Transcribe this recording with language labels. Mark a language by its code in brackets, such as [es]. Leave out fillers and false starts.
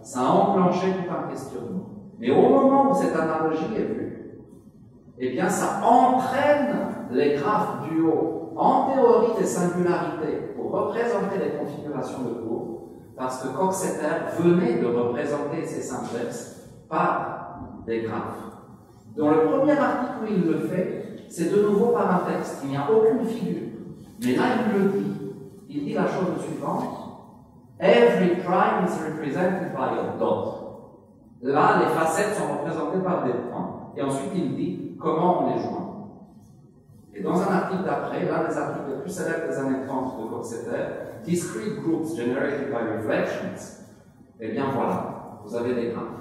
[fr] Ça a enclenché tout un questionnement. Mais au moment où cette analogie est vue, eh bien, ça entraîne les graphes du haut en théorie des singularités pour représenter les configurations de courbes, parce que Coxeter venait de représenter ces simplexes par des graphes. Dans le premier article où il le fait, c'est de nouveau par un texte, il n'y a aucune figure. Mais là, il le dit. Il dit la chose suivante. [en] Every prime is represented by a dot. [fr] Là, les facettes sont représentées par des points. Et ensuite, il dit comment on les joint. Et dans un article d'après, l'un des articles les plus célèbres des années 30 de Coxeter, Discrete Groups Generated by Reflections, eh bien voilà, vous avez des graphes.